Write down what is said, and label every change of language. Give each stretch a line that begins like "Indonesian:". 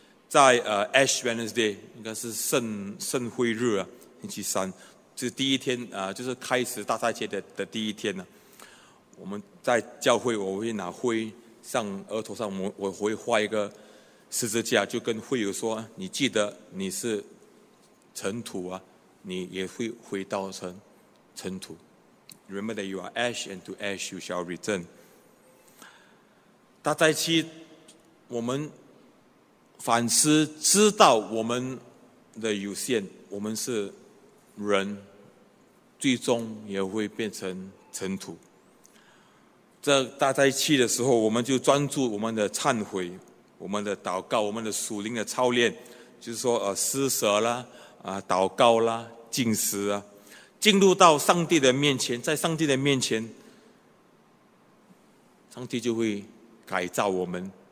Chinese: 在Ash Wednesday 应该是圣灰日啊，星期三，这第一天啊，就是开始大灾期的第一天呢、啊。我们在教会，我会拿灰上额头上，我会画一个十字架，就跟会友说：“你记得你是尘土啊，你也会回到尘土。”
English: Remember that you are ash, and to ash you shall return.
Chinese: 大灾期，我们反思，知道我们的有限，我们是人，最终也会变成尘土。这大灾期的时候，我们就专注我们的忏悔、我们的祷告、我们的属灵的操练，就是说施舍啦、祷告啦、禁食啊，进入到上帝的面前，在上帝的面前，上帝就会改造我们。